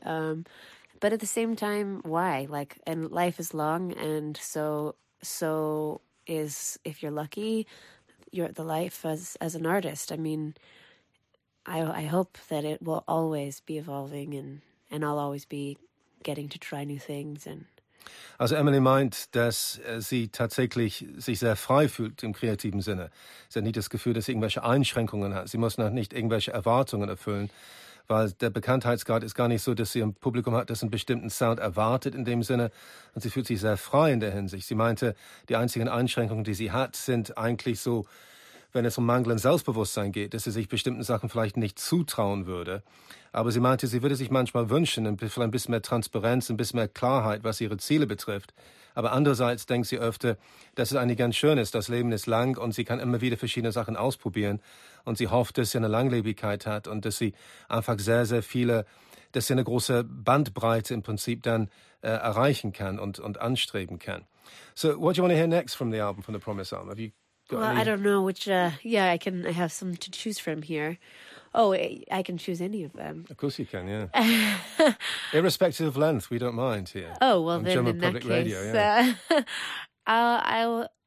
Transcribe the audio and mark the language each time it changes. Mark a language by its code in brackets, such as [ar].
[en] But at the same time, why? Like, and life is long, and so is, if you're lucky, the life as an artist. I mean, I hope that it will always be evolving, and I'll always be getting to try new things. And [de] also Emily meint, dass sie tatsächlich sich sehr frei fühlt im kreativen Sinne. Sie hat nicht das Gefühl, dass sie irgendwelche Einschränkungen hat. Sie muss noch nicht irgendwelche Erwartungen erfüllen, weil der Bekanntheitsgrad ist gar nicht so, dass sie ein Publikum hat, das einen bestimmten Sound erwartet in dem Sinne. Und sie fühlt sich sehr frei in der Hinsicht. Sie meinte, die einzigen Einschränkungen, die sie hat, sind eigentlich so, wenn es um Mangel an Selbstbewusstsein geht, dass sie sich bestimmten Sachen vielleicht nicht zutrauen würde. Aber sie meinte, sie würde sich manchmal wünschen, vielleicht ein bisschen mehr Transparenz, ein bisschen mehr Klarheit, was ihre Ziele betrifft. Aber andererseits denkt sie öfter, dass es eigentlich ganz schön ist. Das Leben ist lang und sie kann immer wieder verschiedene Sachen ausprobieren. Und sie hofft, dass sie eine Langlebigkeit hat und dass sie einfach sehr, sehr viele, dass sie eine große Bandbreite im Prinzip dann erreichen kann und anstreben kann. [en] So, what do you want to hear next from the album, from the Promise Album? Have you? Well, I don't know which. I have some to choose from here. Oh, I can choose any of them. Of course, you can. Yeah. Irrespective of length, we don't mind here. Oh well, on then German in Public that Radio, case, yeah.